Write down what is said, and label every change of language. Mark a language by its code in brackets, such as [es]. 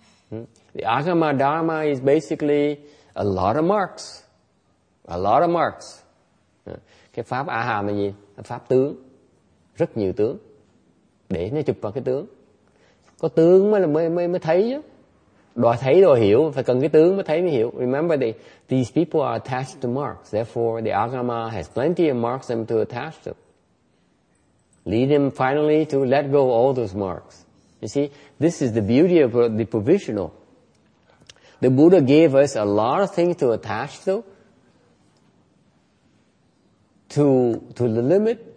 [en] The agama dharma is basically a lot of marks. [vi] Cái pháp a hàm là gì? Pháp tướng, rất nhiều tướng, để nó chụp vào cái tướng. Có tướng mới thấy chứ. Đòi thấy rồi hiểu, phải cần cái tướng mới thấy mới hiểu. [en] Remember that these people are attached to marks. Therefore, the agama has plenty of marks them to attach to. Lead them finally to let go all those marks. You see, this is the beauty of the provisional. The Buddha gave us a lot of things to attach to the limit.